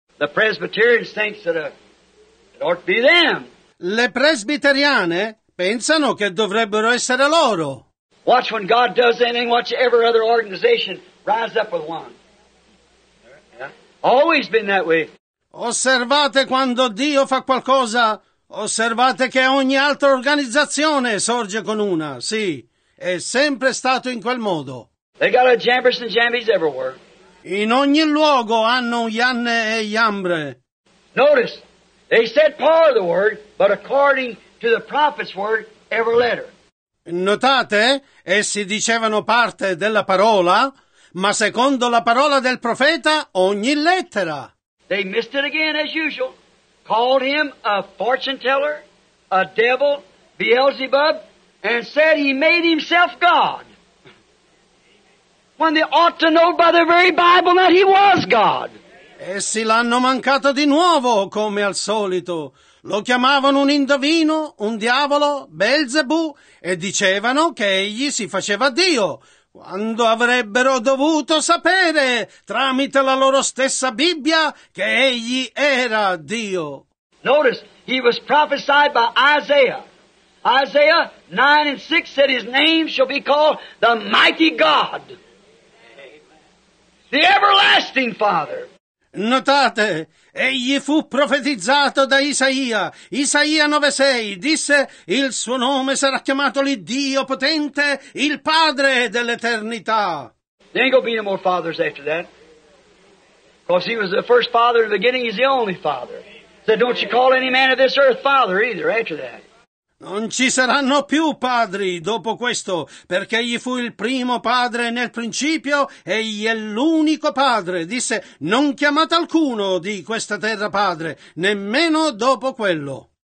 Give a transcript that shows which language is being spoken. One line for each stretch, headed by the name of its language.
English: The Presbyterians think that it ought to be them.
Italian: Le presbiteriane pensano che dovrebbero essere loro.
English: Watch when God does anything, watch every other organization rise up with one. Always been that way.
Italian: Osservate quando Dio fa qualcosa, osservate che ogni altra organizzazione sorge con una, sì, è sempre stato in quel modo.
English: They got a Jambers and Jambies everywhere.
Italian: In ogni luogo hanno Janne e Jambre.
English: Notice, they said part of the word, but according to the prophet's word, every letter.
Italian: Notate, essi dicevano parte della parola, ma secondo la parola del profeta, ogni lettera.
English: They missed it again, as usual. Called him a fortune teller, a devil, Beelzebub, and said he made himself God. When they ought to know by the very Bible that he was God.
Italian: Essi l'hanno mancato di nuovo, come al solito. Lo chiamavano un indovino, un diavolo, Beelzebù, e dicevano che egli si faceva Dio. Quando avrebbero dovuto sapere, tramite la loro stessa Bibbia, che egli era Dio.
English: Notice, he was prophesied by Isaiah. Isaiah 9 and 6 said his name shall be called the Mighty God. The Everlasting Father.
Italian: Notate, egli fu profetizzato da Isaia. Isaia 9:6 disse: il suo nome sarà chiamato l'Iddio potente, il Padre dell'eternità.
English: There ain't gonna be no more fathers after that. Because he was the first father in the beginning, he's the only father. So don't you call any man of this earth father either after that.
Italian: Non ci saranno più padri dopo questo, perché egli fu il primo padre nel principio, egli è l'unico padre. Disse, non chiamate alcuno di questa terra padre, nemmeno dopo quello.